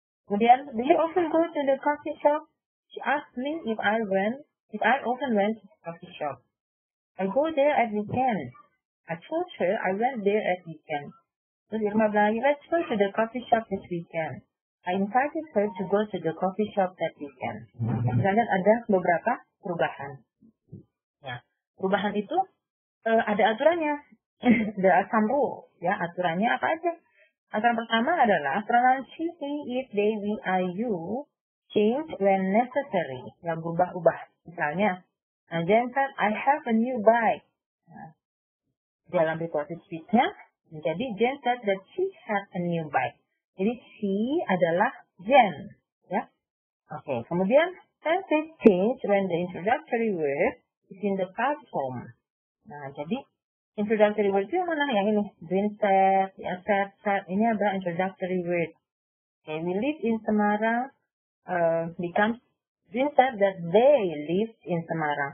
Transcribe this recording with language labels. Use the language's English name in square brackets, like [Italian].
[English] Kemudian, do you often go to the coffee shop? She asked me if I often went to the coffee shop. I go there at weekend. I told her I went there at weekend. [Indonesian] Terus Irma bilang, [English] let's go to the coffee shop this weekend. I invited her to go to the coffee shop that weekend. [Indonesian] Kita lihat ada beberapa perubahan. Ya, perubahan itu ada aturannya. [English] There are some rules. [Indonesian] Ya, aturannya apa aja? Aturan pertama adalah [English] pronunciation he, it, they, we, I, you change when necessary. [Indonesian] Yang berubah-ubah. [English] Misalnya, Jen said, I have a new bike. [Indonesian] Nah, dalam reported speech-nya, jadi [English] Jen said that she has a new bike. [Indonesian] Jadi, she adalah Jen. Ya? Okay. [English] Kemudian, tenses change when the introductory word is in the past form. [Indonesian] Nah, jadi, introductory word itu yang mana? Yang ini, green set, ya, set. Ini adalah introductory word. [English] Okay, we live in Semarang, becomes green set that they live in Semarang.